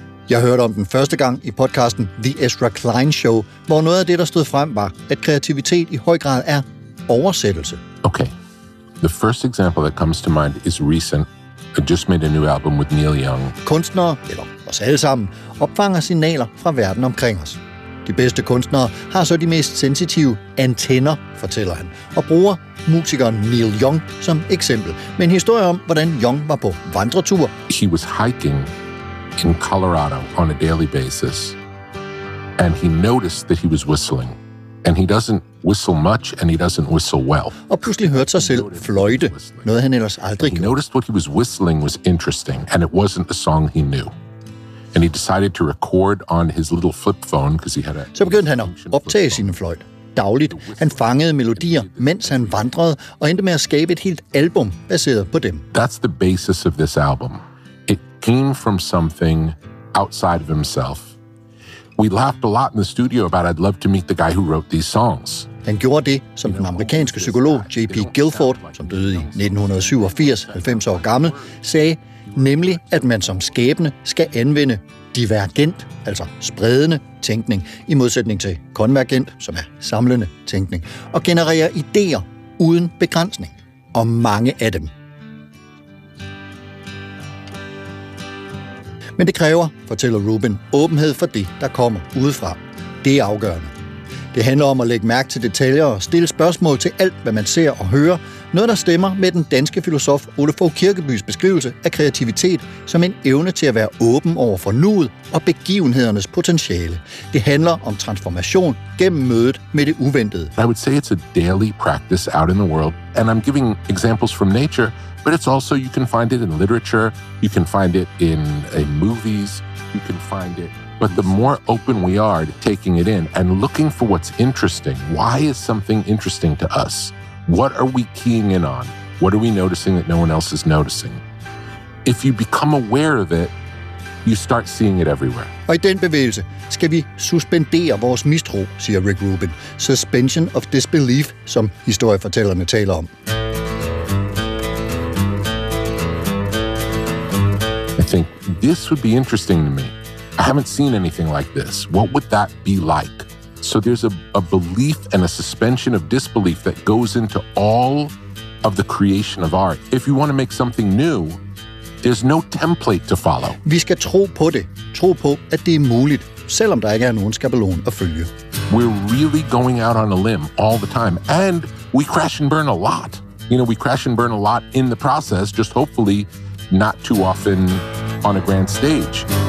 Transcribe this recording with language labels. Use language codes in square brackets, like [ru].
[da] Jeg hørte om den første gang i podcasten The Ezra Klein Show, hvor noget af det, der stod frem, var, at kreativitet i høj grad er oversættelse. Okay. [en] The first example that comes to mind is recent. I just made a new album with Neil Young. [da] Kunstnere, eller os alle sammen, opfanger signaler fra verden omkring os. De bedste kunstnere har så de mest sensitive antenner, fortæller han, og bruger musikeren Neil Young som eksempel med en historie om, hvordan Young var på vandretur. [en] He was hiking in Colorado on a daily basis, and he noticed that he was whistling, and he doesn't whistle much, and he doesn't whistle well. [da] Og pludselig hørte sig selv fløjte, noget han ellers aldrig gjorde. [en] He noticed what he was whistling was interesting, and it wasn't a song he knew. And he decided to record on his little flip phone, because he had a... [da] Så begyndte han at optage sin fløjte dagligt. Han fangede melodier, mens han vandrede, og endte med at skabe et helt album baseret på dem. [en] That's the basis of this album. It came from something outside of himself. We laughed a lot in the studio about I'd love to meet the guy who wrote these songs. [da] Han gjorde det, som den amerikanske psykolog J.P. Guilford, som døde i 1987, 90 år gammel, sagde, nemlig at man som skabende skal anvende divergent, altså spredende tænkning, i modsætning til konvergent, som er samlende tænkning, og generere idéer uden begrænsning, og mange af dem. Men det kræver, fortæller Rubin, åbenhed for det, der kommer udefra. Det er afgørende. Det handler om at lægge mærke til detaljer og stille spørgsmål til alt, hvad man ser og hører. Noget, der stemmer med den danske filosof Ole Fogh Kirkebys beskrivelse af kreativitet som en evne til at være åben over for nuet og begivenhedernes potentiale. Det handler om transformation gennem mødet med det uventede. [en] I would say it's a daily practice out in the world, and I'm giving examples from nature. But it's also, you can find it in literature, you can find it in movies, you can find it... But the more open we are to taking it in and looking for what's interesting, why is something interesting to us? What are we keying in on? What are we noticing that no one else is noticing? If you become aware of it, you start seeing it everywhere. [da] Og i den bevægelse skal vi suspendere vores mistro, siger Rick Rubin. [en] Suspension of disbelief, [da] som historiefortællerne taler om. [en] Think this would be interesting to me. I haven't seen anything like this. What would that be like? So there's a belief and a suspension of disbelief that goes into all of the creation of art. If you want to make something new, there's no template to follow. [da] Vi skal tro på det. Tro på at det er muligt, selvom der ikke er nogen skabelon at følge. [en] We're really going out on a limb all the time, and we crash and burn a lot. You know, we crash and burn a lot in the process, just hopefully not too often on a grand stage.